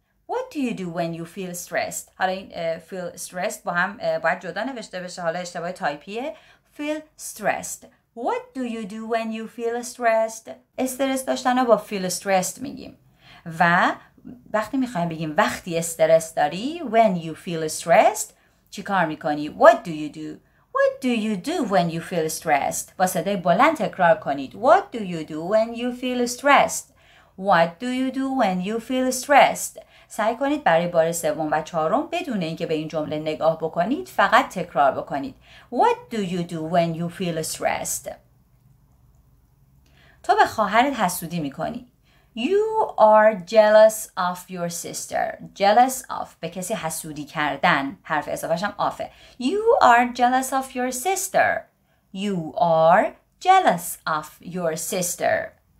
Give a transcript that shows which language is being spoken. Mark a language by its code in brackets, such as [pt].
[en] What do you do when you feel stressed? [fa] حالا این feel stressed با هم باید جدا نوشته بشه. حالا اشتباه تایپیه. Feel stressed. [en] What do you do when you feel stressed? [fa] استرس داشتن رو با feel stressed میگیم. و وقتی میخوایم بگیم وقتی استرس داری when you feel stressed چی کار میکنی؟ What do you do? [en] What do you do when you feel stressed? [fa] با صدای بلند تکرار کنید. [en] What do you do when you feel stressed? What do you do when you feel stressed? [fa] سعی کنید برای بار سوم و چهارم بدون اینکه به این جمله نگاه بکنید فقط تکرار بکنید. [en] What do you do when you feel stressed? [fa] تو به خواهرت حسودی میکنی. [en] You are jealous of your sister. [fa] Jealous of به کسی حسودی کردن. حرف اضافه‌ش هم آفه. You are jealous of your sister. [en] You are jealous of your sister.